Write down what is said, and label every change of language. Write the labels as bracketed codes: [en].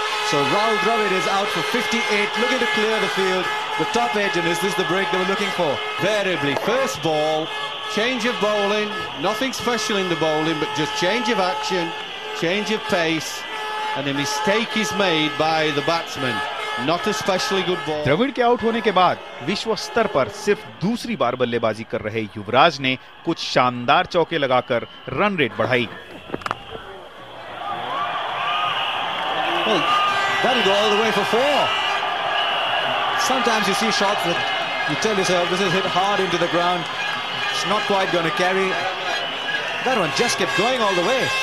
[en] So Rahul Dravid is out for 58. Looking to clear the field. The top edge. And is this the break they were looking for? Variably. First ball. Change of bowling. Nothing special in the bowling. But just change of action. Change of pace. And a mistake is made by the batsman. Not especially good ball. [hi] Dravid के out होने के बाद विश्व स्तर पर सिर्फ दूसरी बार बल्लेबाजी कर रहे युवराज ने कुछ शानदार चौके लगाकर रन रेट बढ़ाई. [en] Well, that'll go all the way for four. Sometimes you see shots that you tell yourself this is hit hard into the ground. It's not quite going to carry. That one just kept going all the way.